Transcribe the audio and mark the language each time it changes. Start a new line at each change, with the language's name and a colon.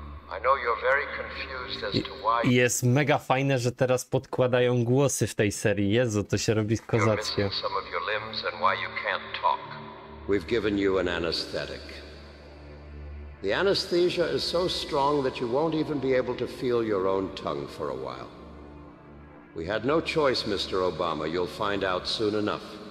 English: I know you're very confused as to why.
Polish: Jest mega fajne, że teraz podkładają głosy w tej serii. Jezu, to się robi kozackie.
English: Some of your limbs and why you can't talk. We've given you an anesthetic. The anesthesia is so strong that you won't even be able to feel your own tongue for a while. We had no choice, Mr. Obama. You'll find out soon enough.